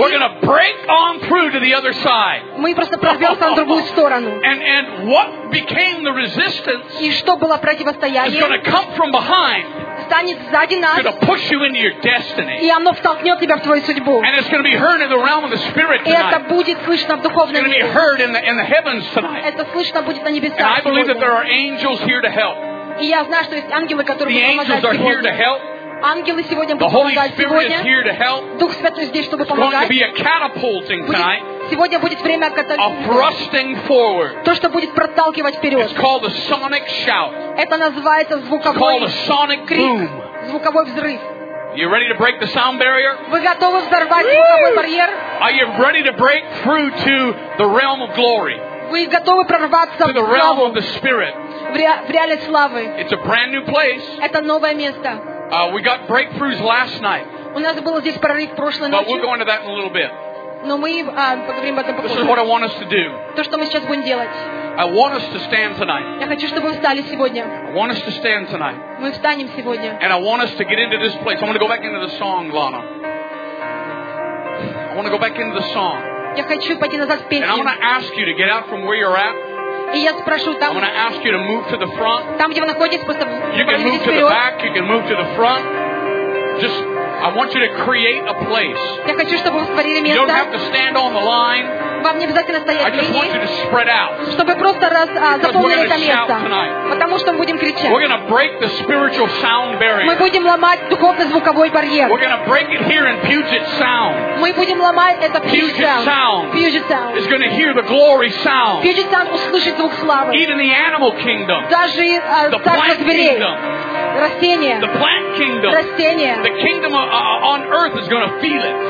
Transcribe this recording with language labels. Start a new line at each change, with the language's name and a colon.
English: We're going to break on through to the other side.
Russian: Мы просто пробьемся на другую сторону.
English: And what became the resistance?
Russian: И что было противостояние?
English: Is going to come from behind.
Russian: Станет сзади нас.
English: Going to push you into your destiny.
Russian: И оно втолкнет тебя в твою судьбу.
English: And it's going to be heard in the realm of the spirit tonight.
Russian: И это будет слышно в духовном мире.
English: It's going to be heard in the heavens tonight.
Russian: Это слышно будет на небесах.
English: And I believe that there are angels here to help.
Russian: И я знаю, что есть ангелы, которые будут помогать сегодня.
English: The angels are here to help.
Russian: Ангелы сегодня будут помогать сегодня.
English: The Holy Spirit is here to help.
Russian: Дух Святой здесь, чтобы помогать.
English: It's going to be a catapulting tonight.
Russian: сегодня будет время катализма. То, что будет проталкивать вперед. Это называется звуковой крик. Звуковой взрыв.
English: You ready to break the sound barrier?
Russian: Вы готовы взорвать звуковой барьер?
English: Are you ready to break through to the realm of glory?
Russian: Вы готовы прорваться
English: to the realm of the spirit?
Russian: В реальность славы.
English: It's a brand new place.
Russian: Это новое место.
English: We got breakthroughs last night.
Russian: У нас был здесь прорыв прошлой ночью.
English: But we'll go into that in a little bit.
Russian: Но мы поговорим об этом попозже.
English: This is what I want us to do.
Russian: То, что мы сейчас будем делать.
English: I want us to stand tonight.
Russian: Я хочу, чтобы вы встали сегодня.
English: I want us to stand tonight.
Russian: Мы встанем сегодня.
English: And I want us to get into this place. I want to go back into the song, Lana. I want to go back into the song.
Russian: Я хочу пойти назад в песню.
English: And I want to ask you to get out from where you're at.
Russian: И я спрошу там.
English: I want to ask you to move to the front.
Russian: Там, где вы находитесь, просто пойдите вперед.
English: You can move to the back. You can move to the front. Just. I want you to create a place.
Russian: Я хочу, чтобы вы створили место.
English: You don't have to stand on the line.
Russian: Вам не обязательно стоять в линии.
English: I just want you to spread out.
Russian: Чтобы просто заполнили это место. Потому что мы будем кричать.
English: We're going to break the spiritual sound barrier.
Russian: Мы будем ломать духовный звуковой барьер.
English: We're going to break it here in Puget Sound.
Russian: Мы будем ломать это
English: Puget Sound. Is going to hear the glory sound.
Russian: Puget Sound услышит звук славы.
English: Even the animal kingdom.
Russian: Даже царство зверей. Растения.
English: The plant kingdom.
Russian: Растения.
English: The kingdom on earth is going to feel it.